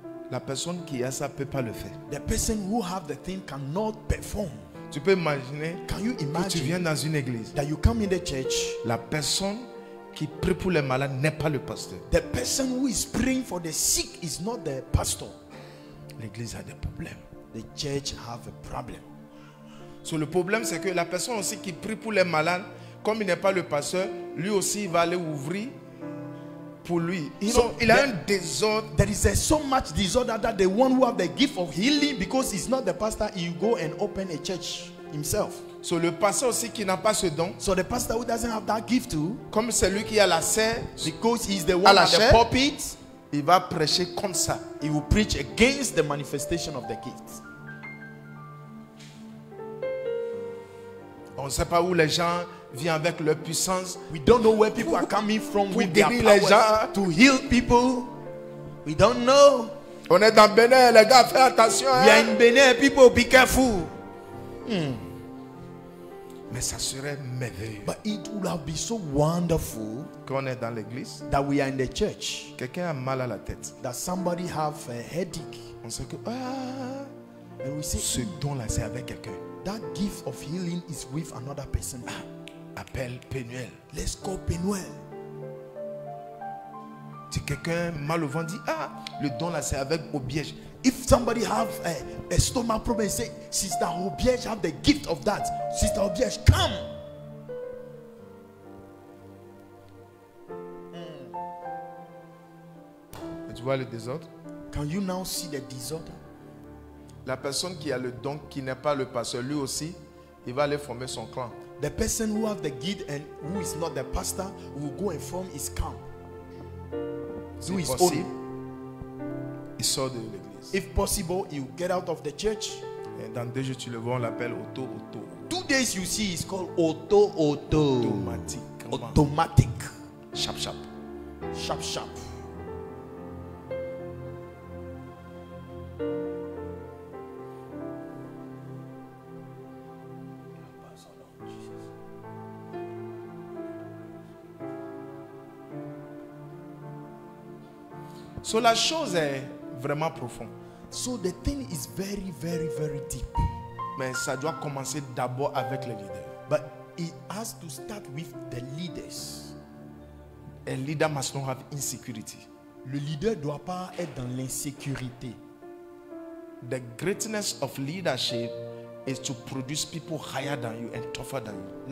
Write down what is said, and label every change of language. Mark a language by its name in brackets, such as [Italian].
[French] la personne qui a ça peut pas le faire. [English] The person who have the thing cannot perform. [French] Tu peux imaginer, [English] can you imagine, [French] que tu viens dans une église, [English] that you come in the church, [French] la personne qui prie pour les malades n'est pas le pasteur. [English] The person who is praying for the sick is not the pastor. [French] L'église a des problèmes. [English] The church have a problem. [French] So le problème, c'est que la personne aussi qui prie pour les malades, comme il n'est pas le pasteur, lui aussi il va aller ouvrir pour lui. Il a un désordre. [English] There is so much disorder that the one who have the gift of healing, because he's not the pastor, he go and open a church himself. [French] So le pasteur aussi qui n'a pas ce don. [English] So the pastor who doesn't have that gift too. [French] Comme c'est lui qui a la serre, [English] because he's the one with the pulpit. [French] Il va prêcher comme ça. [English] He will preach against the manifestation of the gifts. [French] On ne sait pas où les gens viennent avec leur puissance. [English] We don't know where people are coming from with their power. [French] Les gens. [English] To heal people. We don't know. [French] On est dans Bénin, les gars, fais attention. [English] We are in Bénin, people, be careful. [French] Mais ça serait merveilleux. [English] But it would have been so wonderful. [French] Qu'on est dans l'église. [English] That we are in the church. [French] Quelqu'un a mal à la tête. [English] That somebody have a headache. [French] On sait que [English] And we say, [French] ce don-là, c'est avec quelqu'un. [English] That gift of healing is with another person. [French] Appelle Penuel. [English] Let's call Penuel. [French] Si quelqu'un mal au vent dit, le don là c'est avec Obiège. [English] If somebody have a stomach problem, say, Sister Obiège have the gift of that. Sister Obiège, come. [French] Tu vois le désordre? [English] Can you now see the disorder? [French] La personne qui a le don qui n'est pas le pasteur, lui aussi, il va aller former son clan. [English] The person who have the gift and who is not the pastor will go and form his camp. Do his own. [French] Il sort de l'église. [English] If possible, he will get out of the church. [French] Et dans 2 jours, tu le vois, on l'appelle Otto Otto. [English] 2 days, you see, he's called Otto Otto. [French] Automatique. Automatique. Chap chap. Chap chap. [English] Jesus. [French] So la chose est vraiment profonde. [English] So the thing is very, very, very deep. [French] Mais ça doit commencer d'abord avec les leaders. [English] But it has to start with the leaders. A leader must not have insecurity. [French] Le leader doit pas être dans l'insécurité. [English] The greatness of leadership is to produce people higher than you and tougher than you.